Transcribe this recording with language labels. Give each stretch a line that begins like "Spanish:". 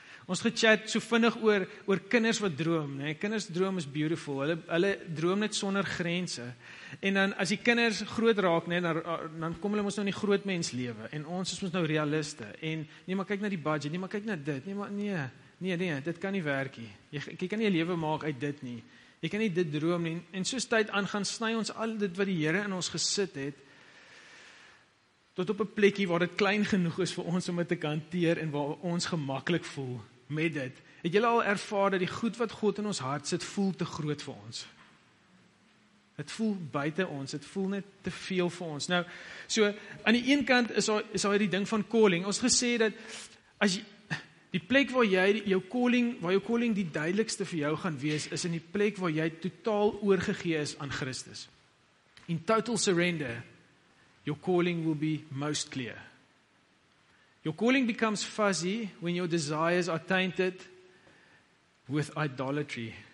Afrikaans: Ons gechat so vinnig oor kinders wat droom, nee, kinders droom is beautiful, hulle droom net sonder grense, en dan as die kinders groot raak, nee, dan kom hulle ons nou in die groot mens lewe, en ons is ons nou realiste, en nee, maar kyk na die budget, nee, maar kyk na dit, nee, dit kan nie werk nie, jy kan nie lewe maak uit dit nie, jy kan nie dit droom nie, en soos tyd aangaan, sny ons al dit wat die Here in ons gesit het, tot op 'n plekkie waar dit klein genoeg is vir ons om dit te hanteer en waar ons gemaklik voel met dit. Het julle al ervaar dat die goed wat God in ons hart sit, voel te groot vir ons? Het voel buite ons, het voel net te veel vir ons. Nou, so, aan die een kant is al die ding van calling. Ons gesê dat, as jy, die plek waar jy, jou calling die duidelikste vir jou gaan wees, is in die plek waar jy totaal oorgegee is aan Christus.
English: In total surrender, your calling will be most clear. Your calling becomes fuzzy when your desires are tainted with idolatry.